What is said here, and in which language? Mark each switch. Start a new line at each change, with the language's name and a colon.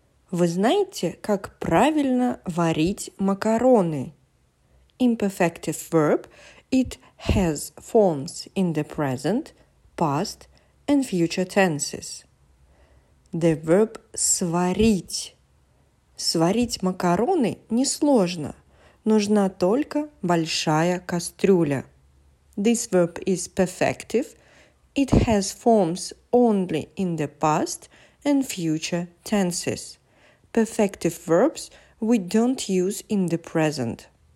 Russian: Вы знаете, как правильно варить макароны?
English: Imperfective verb, it has forms in the present, past and future tenses. The verb сварить.
Russian: Сварить макароны несложно, нужна только большая кастрюля.
English: This verb is perfective, it has forms only in the past and future tenses. Perfective verbs we don't use in the present.